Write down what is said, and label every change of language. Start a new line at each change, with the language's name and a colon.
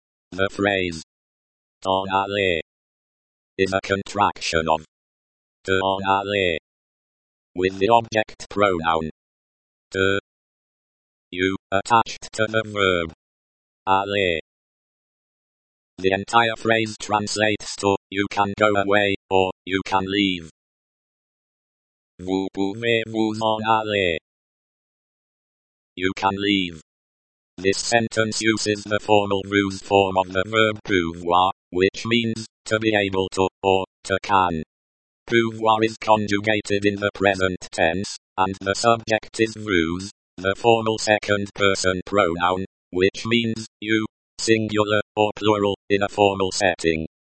English: The phrase t'en aller is a contraction of t'en aller. With the object pronoun te, you, attached to the verb aller. The entire phrase translates to, you can go away, or, you can leave.
French: Vous pouvez vous en aller.
English: You can leave. This sentence uses the formal ruse form of the verb pouvoir, which means, to be able to, or, to can. Pouvoir is conjugated in the present tense, and the subject is vous, the formal second person pronoun, which means, you, singular, or plural, in a formal setting.